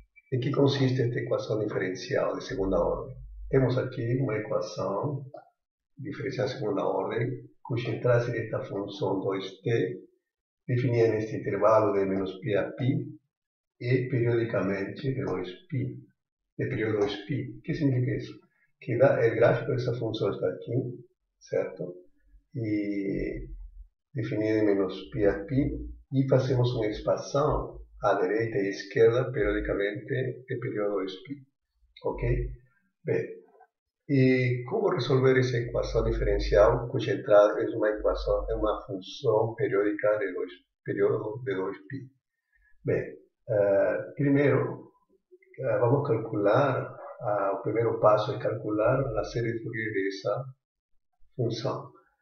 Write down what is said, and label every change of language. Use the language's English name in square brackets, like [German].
[Portuguese] Em que consiste esta equação diferencial de segunda ordem? Temos aqui uma equação diferencial de segunda ordem, cuja entrada seria esta função 2t, definida neste intervalo de menos pi a pi, e periodicamente de 2pi, de período 2pi. O que significa isso? Que dá, [Spanish] el gráfico de esa función está aquí, ¿cierto? Y definido en menos pi a pi, y hacemos una expansión a derecha e izquierda periódicamente de periodo 2pi. ¿Ok? Bien. ¿Y cómo resolver esa ecuación diferencial cuya entrada es una ecuación, es una función periódica de periodo de 2pi? Bien. Primero, vamos a calcular. [Portuguese] O primeiro passo é calcular a série de Fourier dessa função.